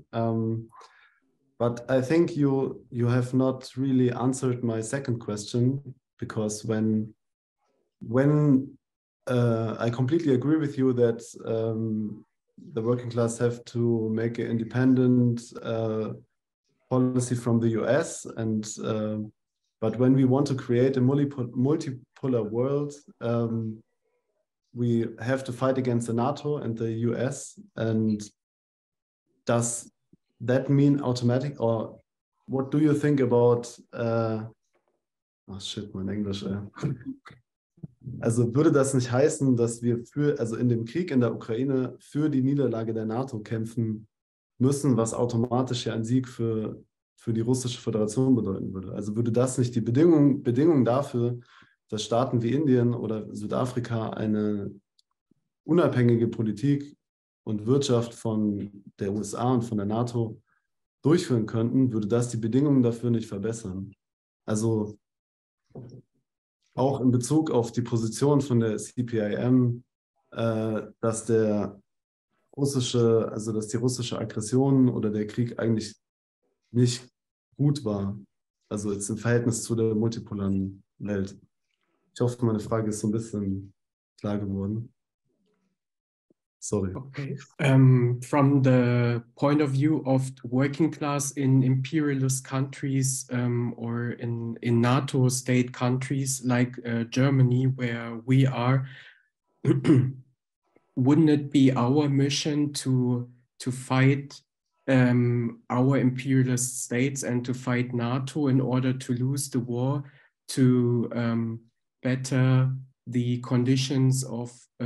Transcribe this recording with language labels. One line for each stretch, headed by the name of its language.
English: But I think you have not really answered my second question, because when I completely agree with you that the working class have to make an independent policy from the US, but when we want to create a multipolar world, we have to fight against the NATO and the US. And does that mean automatic, or what do you think about,
German: mein Englisch. Also würde das nicht heißen, dass wir für, also in dem Krieg in der Ukraine, für die Niederlage der NATO kämpfen müssen, was automatisch ja ein Sieg für die Russische Föderation bedeuten würde. Also würde das nicht die Bedingung dafür, dass Staaten wie Indien oder Südafrika eine unabhängige Politik und Wirtschaft von der USA und von der NATO durchführen könnten, würde das die Bedingungen dafür nicht verbessern? Also auch in Bezug auf die Position von der CPIM, dass die russische Aggression oder der Krieg eigentlich nicht gut war, also jetzt im Verhältnis zu der multipolaren Welt. Ich hoffe, meine Frage ist so ein bisschen klar geworden.
English: Sorry. Okay. From the point of view of working class in imperialist countries or in NATO state countries like Germany, where we are, wouldn't it be our mission to fight our imperialist states and to fight NATO in order to lose the war, to better the conditions of